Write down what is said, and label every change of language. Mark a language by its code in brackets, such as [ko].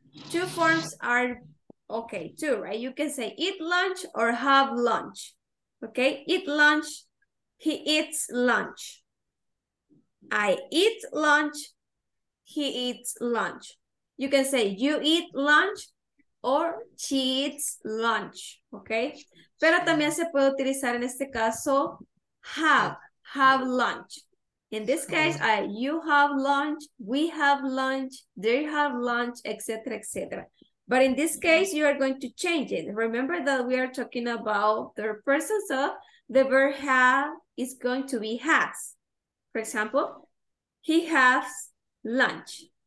[en] Two forms are okay, two, right? You can say eat lunch or have lunch. Okay, eat lunch, he eats lunch. I eat lunch, he eats lunch. You can say you eat lunch or she eats lunch, okay? [es] Pero también se puede utilizar en este caso have lunch. [en] In this case, you have lunch, we have lunch, they have lunch, etc., etc. But in this case, you are going to change it. Remember that we are talking about third person, so the verb have is going to be has. For example, he has lunch.